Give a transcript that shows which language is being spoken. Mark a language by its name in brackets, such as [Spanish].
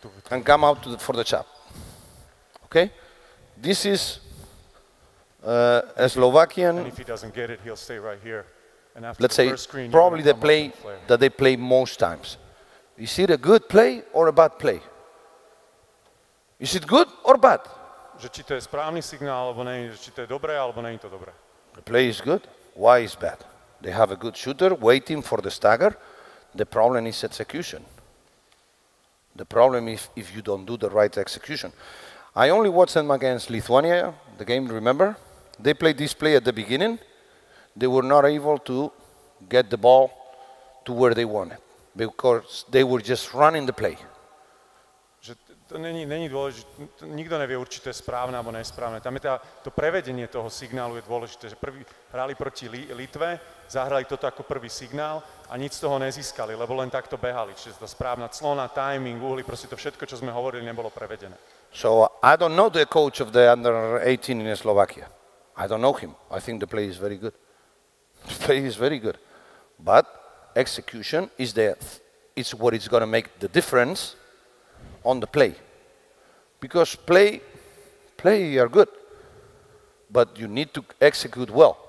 [English] And come out to the, for the chop. Okay? This is a Slovakian. And if he doesn't get it, he'll stay right here. And after let's the say, first screen, probably the play that they play most times. Is it a good play or a bad play? Is it good or bad? [Slovak] Že či to je správny signál alebo nie, že či to je dobré alebo nie je to dobré. [English] The play is good. Why is bad? They have a good shooter waiting for the stagger. The problem is execution. The problem is if you don't do the right execution. I only watched them against Lithuania, the game, remember? They played this play at the beginning. They were not able to get the ball to where they wanted, because they were just running the play. [Slovak] Že to není dôležité, nikto nevie určite správne alebo nesprávne. Tam je to prevedenie toho signálu je dôležité, že prvý hrali proti Litve, zahrali toto ako prvý signál a nič z toho nezískali, lebo len takto behali. Čiže to správna clona, timing, uhly, proste to všetko, čo sme hovorili, nebolo prevedené. [English] So I don't know the coach of the under 18 in Slovakia. I don't know him. I think the play is very good. The play is very good. But execution is there. It's what is going to make the difference on the play. Because play are good, but you need to execute well.